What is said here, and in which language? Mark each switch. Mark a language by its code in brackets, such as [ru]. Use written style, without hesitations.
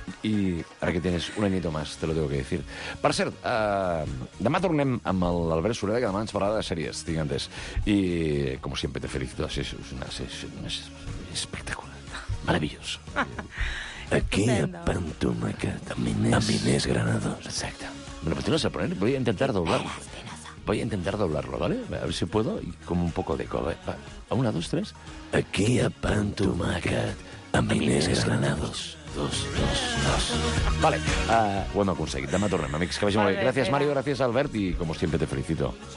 [es] Y ahora que tienes un añito más, te lo tengo que decir. [ca] Per cert, demà tornem amb l'Albert Sureda, que demà ens parlarà de sèries, tinc entès. [es] I, como siempre, te felicito. Así es, una espectacular. Maravilloso. Aquí, a Pantumaca, también es... También es Granados. Exacto. Bueno, pues te lo vas a poner. Voy a intentar doblarlo. Voy a intentar doblarlo, ¿vale? A ver si puedo. Y como un poco de eco. A una, dos, tres. Aquí, a Pantumaca, también es Granados. Dos. [ca] Vale, ho hem aconseguit. Demà tornem, amics, que vagi molt bé. Gràcies, Mario, gràcies, Albert, i com sempre te felicito.